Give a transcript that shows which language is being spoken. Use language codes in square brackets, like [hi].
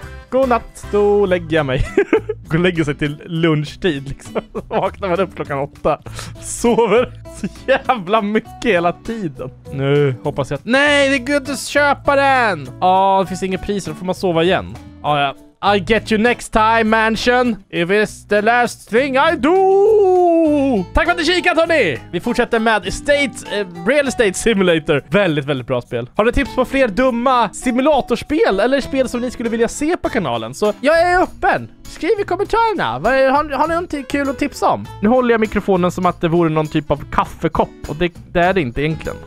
[sv] God natt, då lägger jag mig. Gå lägga sig till lunchtid liksom. Vaknar man upp klockan 8. Sover så jävla mycket hela tiden. Nu hoppas jag att... Nej, det är gott att köpa den. Ja, det finns ingen pris, då får man sova igen. Ja. [en] I'll get you next time, mansion. If it's the last thing I do. [sv] Tack för att ni kikat, hörni. Vi fortsätter med Real Estate Simulator. Väldigt, väldigt bra spel. Har ni tips på fler dumma simulatorspel eller spel som ni skulle vilja se på kanalen? Så jag är öppen. Skriv i kommentarerna. Har ni någonting kul att tipsa om? Nu håller jag mikrofonen som att det vore någon typ av kaffekopp. Och det är det inte egentligen.